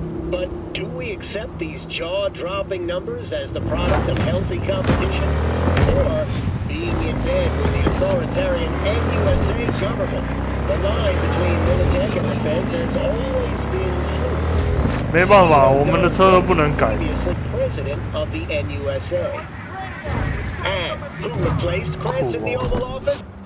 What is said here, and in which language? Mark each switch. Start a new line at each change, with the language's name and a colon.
English: But do we accept these jaw-dropping numbers as the product of healthy competition, or being in bed with the authoritarian NUSA government? The line between military and defense has always been fluid.
Chinese: 没办法，我们的车不能改。
English: President of the NUSA. And who replaced Kress in the Oval Office?